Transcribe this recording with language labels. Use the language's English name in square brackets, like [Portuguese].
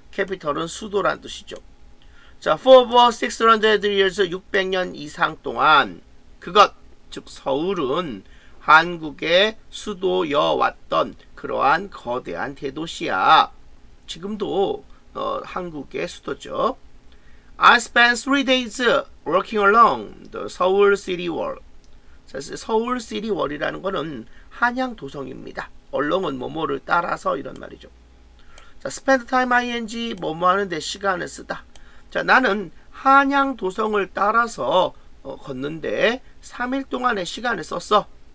[Korean] capital은 수도란 뜻이죠. 자, [English] for over 600 years, [Korean] 600년 이상 동안, 그것, 즉 서울은 한국의 수도여왔던 그러한 거대한 대도시야. 지금도 한국의 수도죠. [English] I spent 3 days walking along the Seoul City Wall. [Korean] 사실 서울 시티 월이라는 것은 한양 도성입니다. Along은 뭐뭐를 따라서 이런 말이죠. 자, spend time ing 뭐뭐 하는데 시간을 쓰다. 자, 나는 한양 도성을 따라서 걷는데 3일 동안의 시간을 썼어.